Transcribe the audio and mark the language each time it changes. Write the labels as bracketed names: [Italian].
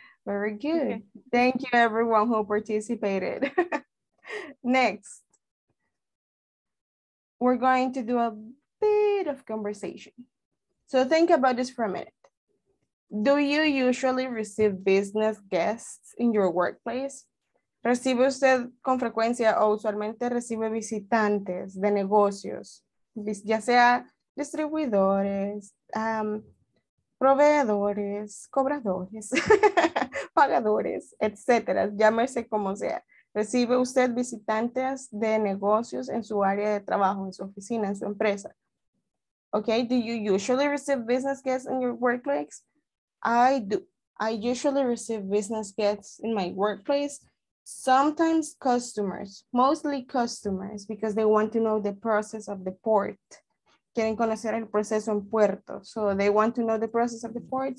[English] Very good. Okay. Thank you everyone who participated. Next. we're going to do a bit of conversation. So think about this for a minute. Do you usually receive business guests in your workplace? [Spanish] ¿Recibe usted con frecuencia o usualmente recibe visitantes de negocios? Ya sea distribuidores, proveedores, cobradores, pagadores, etc. Llámese como sea. ¿Recibe usted visitantes de negocios en su área de trabajo, en su oficina, en su empresa? [English] Okay, do you usually receive business guests in your workplace? I do. I usually receive business guests in my workplace. Sometimes customers, mostly customers, because they want to know the process of the port. [Spanish] Quieren conocer el proceso en puerto. [English] So they want to know the process of the port.